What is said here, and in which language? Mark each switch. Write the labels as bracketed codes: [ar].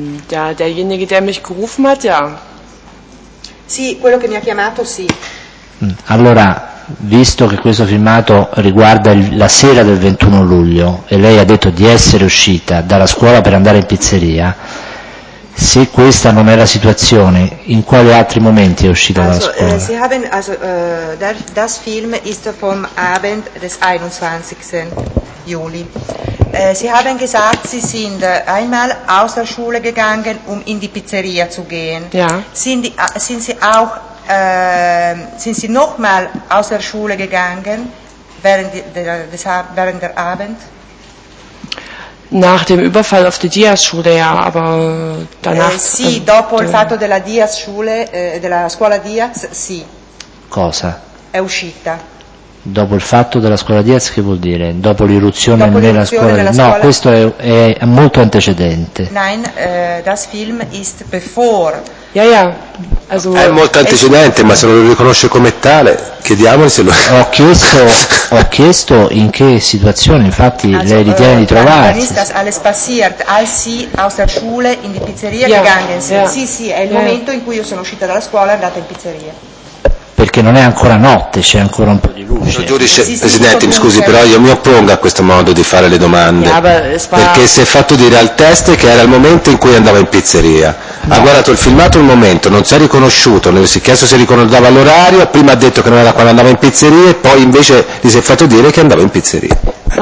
[de] Ja, derjenige, der mich gerufen hat, ja. [it] Sì, quello che mi ha chiamato, sì. Allora, visto che questo filmato riguarda la sera del 21 luglio e lei ha detto di essere uscita dalla scuola per andare in pizzeria, se questa non è la situazione, in quali altri momenti è uscita dalla scuola? [de] Sie haben, also, das Film ist vom Abend des 21. Juli. Sie haben gesagt, Sie sind einmal aus der Schule gegangen, um in die Pizzeria zu gehen. Ja. Sind Sie auch sind Sie nochmal aus der Schule gegangen während der Abend? Nach dem Überfall auf die Diaz-Schule, ja, aber danach. [it] Sì, dopo il fatto della Diaz-Schule, della scuola Diaz, sì. Cosa? È uscita. Dopo il fatto della scuola Diaz, che vuol dire? Dopo l'irruzione nella scuola Diaz? No, questo è molto antecedente. [de] Nein, das Film ist [en] before. [de] Ja, ja. [it] Also, è molto antecedente, ma se lo riconosce come tale, chiediamolo se lo... Ho chiesto in che situazione, infatti, also, lei ritiene di trovarsi. [de] Dann ist das alles passiert, als sie aus der Schule in die Pizzeria gegangen sind. [it] Sì, sì, è il momento in cui io sono uscita dalla scuola e andata in pizzeria. Perché non è ancora notte, c'è ancora un po' di luce. Giudice, Presidente, mi scusi, però io mi oppongo a questo modo di fare le domande. Perché si è fatto dire al test che era il momento in cui andava in pizzeria. Ha guardato il filmato un momento, non si è riconosciuto, non si è chiesto se ricordava l'orario, prima ha detto che non era quando andava in pizzeria e poi invece gli si è fatto dire che andava in pizzeria.